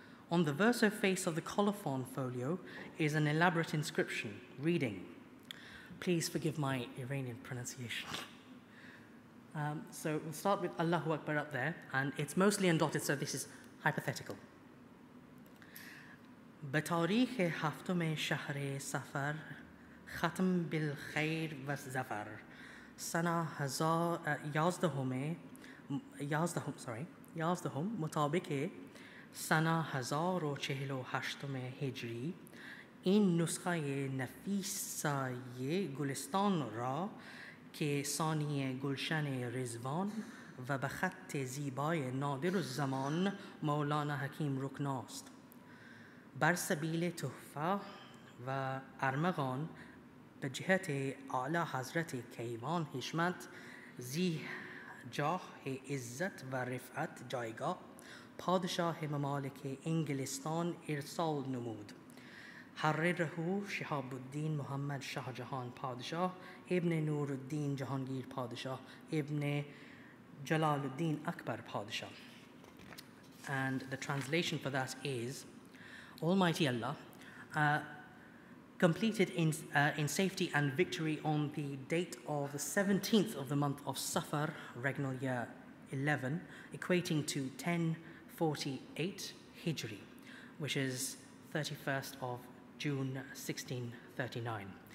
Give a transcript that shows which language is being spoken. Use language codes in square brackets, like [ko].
[en] On the verso face of the colophon folio is an elaborate inscription reading, please forgive my Iranian pronunciation. So we'll start with Allahu Akbar up there, and it's mostly undotted, so this is hypothetical. [fa] بتاريخ هفتم شهر صفر ختم بالخير و زفر سنة هزار یازدهم مطابق سنة هزار و چهل و هشتم هجری این نسخه نفیسای گلستان را که سانی گلشن رزوان و به خط زیبای نادر زمان مولانا حکیم رکناست. بر سبیل تحفه و ارمغان به جهت اعلی حضرت کیوان حشمت زی جاه عزت و رفعت جایگاه پادشاه ممالک انگلستان ارسال نمود. حرره شهاب الدین محمد شاه جهان پادشاه ابن نور الدین جهانگیر پادشاه ابن جلال الدین اکبر پادشاه. [en] And the translation for that is, Almighty Allah completed in safety and victory on the date of the 17th of the month of Safar, regnal year 11, equating to 1048 Hijri, which is 31st of June 1639.